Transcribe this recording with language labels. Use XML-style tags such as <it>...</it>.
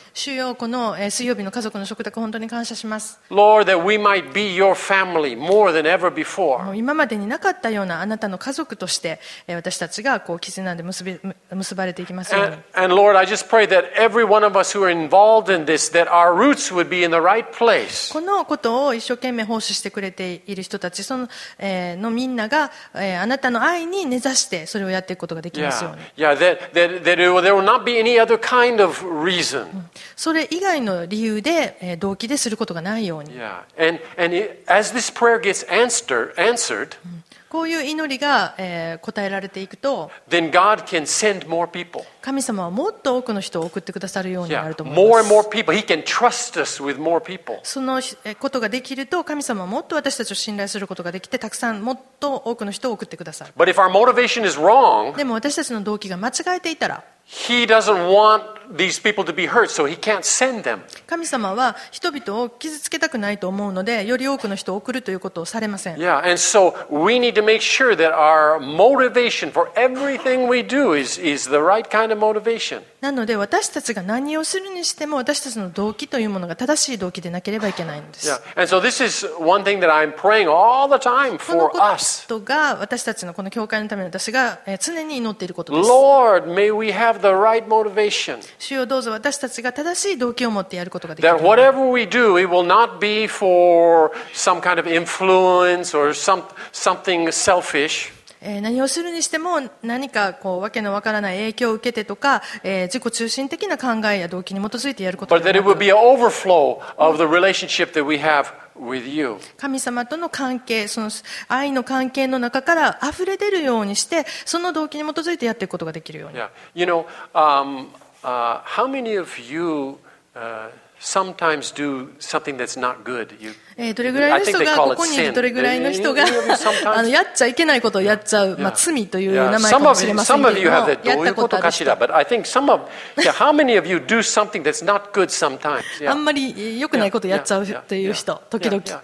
<ja>主よ、この水曜日の家族の食卓本当に感謝します。</ja> <en>Lord, that we might be your family more than ever before.</en> <ja>今までになかったようなあなたの家族として私たちがこう絆で結ばれていきますように。</ja> <en>And Lord, I just pray that every one of us who are involved in this, that our roots would be in the right place.</en> <ja>このことを一生懸命奉仕してくれている人たち、そのみんなが、あなたの愛に根ざしてそれをやっていくことができますように。</ja> <en>Yeah, that there will not be any other kind of reason.</en> <ja>それ以外の理由で動機ですることがないように。 Yeah.</ja> <en>And as this prayer gets answered,</en> <ja>こういう祈りが答えられていくと、</ja> <en>then God can send more people.</en> <ja>神様はもっと多くの人を送ってくださるようになると思います</ja> <en>Yeah. More and more people. He can trust us with more people.</en> <ja>そのことができると、神様はもっと私たちを信頼することができて、たくさんもっと多くの人を送ってくださる。</ja> <en>But if our motivation is wrong,</en> <ja>でも私たちの動機が間違えていたら、</ja> <en>He doesn't want these people to be hurt, so he can't send them.</en> <ja>神様は人々を傷つけたくないと思うので、より多くの人を送るということをされません。</ja> <en>Yeah, and so we need to make sure that our motivation for everything we do is the right kind of motivation.</en> <ja>なので私たちが何をするにしても私たちの動機というものが正しい動機でなければいけないんです。</ja> <en>Yeah, and so this is one thing that I'm praying all the time for us.</en> <ja>このことが私たちのこの教会のために私が常に祈っていることです。</ja> <en>Lord, may we have the right motivation.</en> <ja>主よ、どうぞ私たちが正しい動機を持ってやることができる。</ja> <en>That whatever we do, it will not be for some kind of influence or something selfish.</en> <ja>何をするにしても何かこうわけのわからない影響を受けてとか、自己中心的な考えや動機に基づいてやることではなく。</ja> <en>But that it will be an overflow of the relationship that we have. With you.</en> <ja>神様との関係、その愛の関係の中から溢れ出るようにして、その動機に基づいてやっていくことができるように。 Yeah.</ja> <en>You know, how many of you, sometimes do something that's not good? You,</en> <ja>どれぐらいの人がここにいる、どれぐらいの人がやっちゃいけないことをやっちゃう、まあ、罪という名前かもしれませんけども、</ja> <en>some of you have that.</en> <ja>どういうことかしら、</ja> <en>but I think some of, yeah, how many of you do something that's not good sometimes?</en> <ja>あんまり良くないことをやっちゃうという人、時々。</ja>